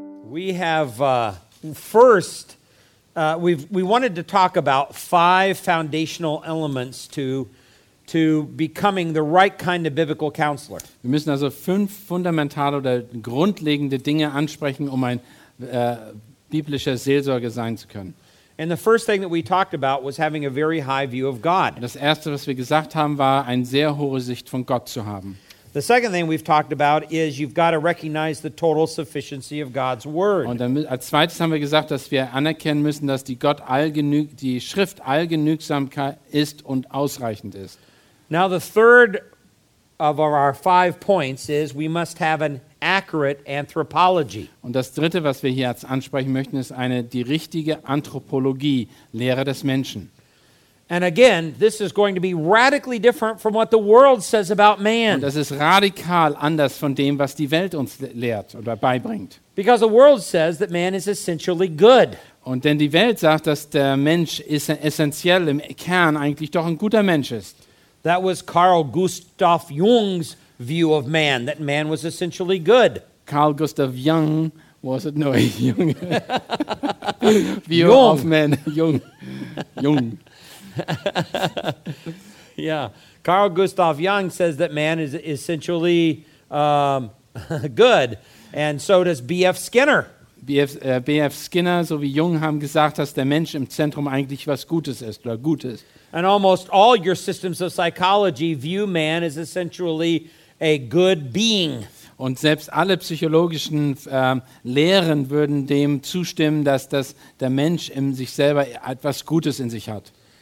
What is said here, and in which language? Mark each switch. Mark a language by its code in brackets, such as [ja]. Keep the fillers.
[en] We have uh first, uh, we we wanted to talk about five foundational elements to, to becoming the right kind of biblical counselor. [de] Wir müssen also fünf fundamentale oder grundlegende Dinge ansprechen, um ein äh, biblischer Seelsorger sein zu können. [en] And the first thing that we talked about was having a very high view of God. [de] Das erste, was wir gesagt haben, war eine sehr hohe Sicht von Gott zu haben. Und als zweites haben wir gesagt, dass wir anerkennen müssen, dass die, Gott all die Schrift allgenügsam ist und ausreichend ist. [en] Now the third of our five points is we must have an accurate anthropology. [de] Und das dritte, was wir hier ansprechen möchten, ist eine die richtige Anthropologie, Lehre des Menschen. [en] And again, this is going to be radically different from what the world says about man. [de] Und das ist radikal anders von dem, was die Welt uns le lehrt oder beibringt. [en] Because the world says that man is essentially good. [de] Und denn die Welt sagt, dass der Mensch ist essentiell im Kern eigentlich doch ein guter Mensch ist. [en] That was Carl Gustav Jung's view of man that man was essentially good. Carl Gustav Jung was it no Jung. view Jung. of man [de] Jung. Jung. Ja, [en] yeah. Carl Gustav Jung [de] sagt, [en] that man is essentially um, good, And so does B.F. Skinner. B.F. Äh, B.F. [de] Skinner so wie Jung haben gesagt, dass der Mensch im Zentrum eigentlich was Gutes ist oder gut ist. [en] And almost all your systems of psychology view man as essentially a good being. [de] Und selbst alle psychologischen äh, Lehren würden dem zustimmen, dass das der Mensch in sich selber etwas Gutes in sich hat.